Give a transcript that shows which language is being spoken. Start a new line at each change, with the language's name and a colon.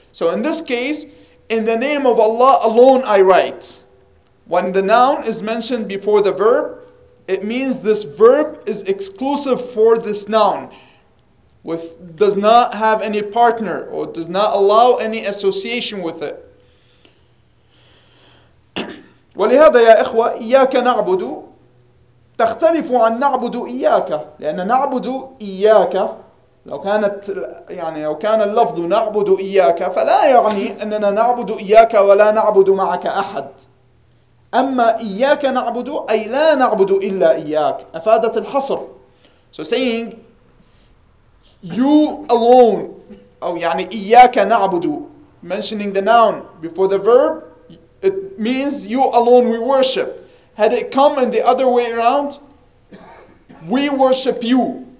English: So in this case, in the name of Allah alone I write. When the noun is mentioned before the verb, it means this verb is exclusive for this noun, with does not have any partner or does not allow any association with it.
Arabic: ولهذا يا إخوة إياك نعبد تختلف عن نعبد إياك، لأن نعبد إياك لو كانت يعني لو كان اللفظ نعبد إياك فلا يعني أننا نعبد إياك ولا نعبد معك أحد. أما إياك نعبد أي لا نعبد إلا إياك، أفادت الحصر.
English: So saying you alone
Arabic: أو يعني إياك نعبد,
English: mentioning the noun before the verb, it means you alone we worship. Had it come in the other way around, we worship you.